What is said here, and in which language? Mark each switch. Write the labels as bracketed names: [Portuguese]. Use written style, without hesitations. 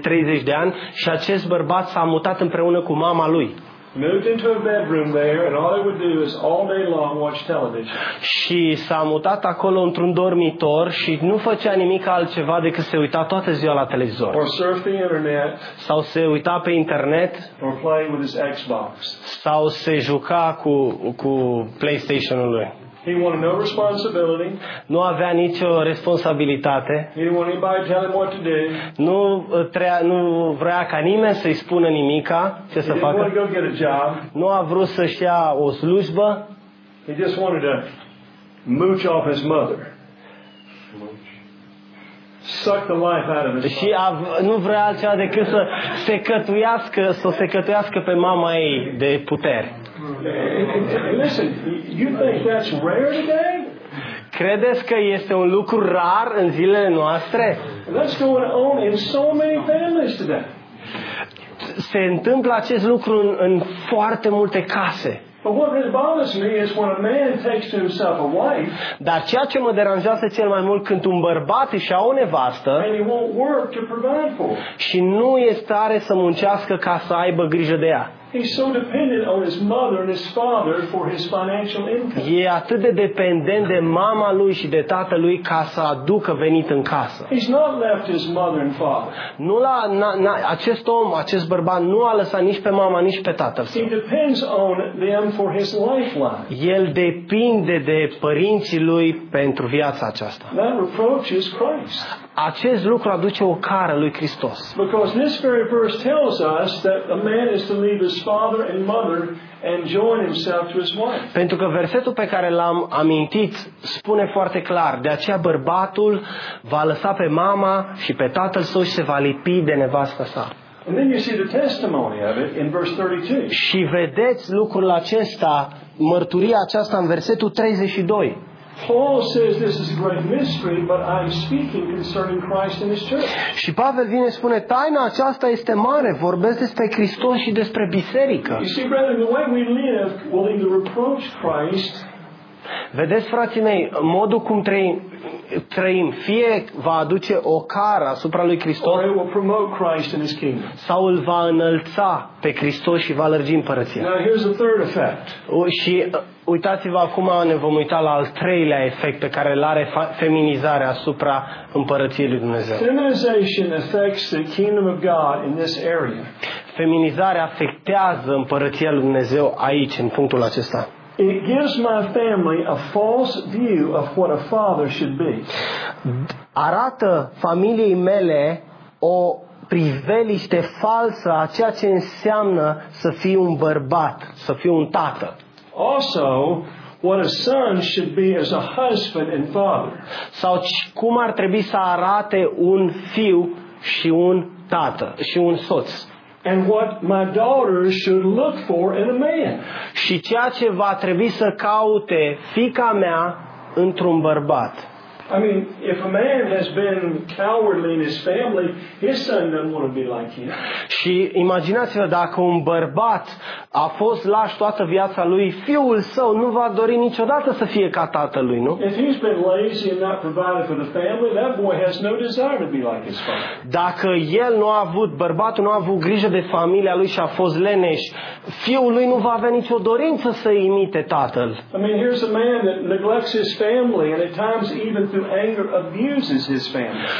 [Romanian] 30 de ani, și acest bărbat s-a mutat împreună cu mama lui. [English] Moved into a bedroom there and all he would do is all day long watch television. [Romanian] Și s-a mutat acolo într-un dormitor și nu făcea nimic altceva decât se uita toată ziua la televizor. [English] Or surf the internet. [Romanian] Sau se uita pe internet. [English] Or play with his Xbox. [Romanian] Sau se juca cu PlayStation-ul lui. [English] He wanted no responsibility. [Romanian] Nu avea nicio responsabilitate. [English] He didn't want anybody to tell him what to do. [Romanian] Nu vrea ca nimeni să-i spună nimica ce să facă. [English] He didn't want to go get a job. [Romanian] Nu a vrut să-și ia o slujbă. [English] He just wanted to mooch off his mother. Suck the life out of his mother. [Romanian] Și nu vrea altceva decât să se cătuiască, să se cătuiască pe mama ei de putere. [English] Listen, you think that's rare today? [Romanian] Credeți că este un lucru rar în zilele noastre? [English] That's going on in so many families today. [Romanian] Se întâmplă acest lucru în foarte multe case. [English] But what really bothers me is when a man takes to himself a wife. [Romanian] Dar ceea ce mă deranjează cel mai mult când un bărbat își ia o nevastă. [English] And he won't work to provide for. [Romanian] Și nu este stare să muncească ca să aibă grijă de ea. [English] He's so dependent on his mother and his father for his financial income. [Romanian] E atât de dependent de mama lui și de tatăl lui ca să aducă venit în casă. [English] He's not left his mother and father. [Romanian] Acest om, acest bărbat nu a lăsat nici pe mama, nici pe tatăl său. [English] He depends on them for his lifeline. [Romanian] El depinde de părinții lui pentru viața aceasta. [English] That reproaches Christ. [Romanian] Acest lucru aduce o cară lui Hristos. [English] Because this very verse tells us that a man is to leave his father and mother and join himself to his wife. [Romanian] Pentru că versetul pe care l-am amintit spune foarte clar, de aceea bărbatul va lăsa pe mama și pe tatăl său și se va lipi de nevasta sa. [English] And then you see the testimony of it in verse 32. [Romanian] Și vedeți lucrul acesta, mărturia aceasta în versetul 32. [English] Paul says this is a great mystery, but I'm speaking concerning Christ and his church. [Romanian] Și Pavel vine și spune, taina aceasta este mare, vorbesc despre Hristos și despre biserică. [English] You see, brethren, the way we live will either reproach Christ. [Romanian] Vedeți, frații mei, modul cum trăim fie va aduce o cară asupra lui Hristos, [English] or it will promote Christ and his kingdom. [Romanian] Sau îl va înălța pe Hristos și va lărgi împărăția. [English] Now here's the third effect. [Romanian] Și uitați-vă acum, ne vom uita la al treilea efect pe care îl are feminizarea asupra împărăției lui Dumnezeu. [English] Feminization affects the kingdom of God in this area. [Romanian] Feminizarea afectează împărăția lui Dumnezeu aici, în punctul acesta. [English] It gives my family a false view of what a father should be. [Romanian] Arată familiei mele o priveliște falsă a ceea ce înseamnă să fii un bărbat, să fii un tată. [English] Also, what a son should be as a husband and father. [Romanian] Sau cum ar trebui să arate un fiu și un tată și un soț. [English] And what my daughter should look for in a man. [Romanian] Și ceea ce va trebui să caute fiica mea într-un bărbat. [English] I mean, if a man has been cowardly in his family, his son doesn't want to be like him. [Romanian] Și imaginați-vă, dacă un bărbat a fost laș toată viața lui, fiul său nu va dori niciodată să fie ca tatălui, nu? [English] If he's been lazy and not provided for the family, that boy has no desire to be like his father. [Romanian] Dacă el nu a avut, bărbatul nu a avut grijă de familia lui și a fost leneș, fiul lui nu va avea nicio dorință să imite tatăl. [English] I mean, here's a man that neglects his family and at times even through anger abuses his family.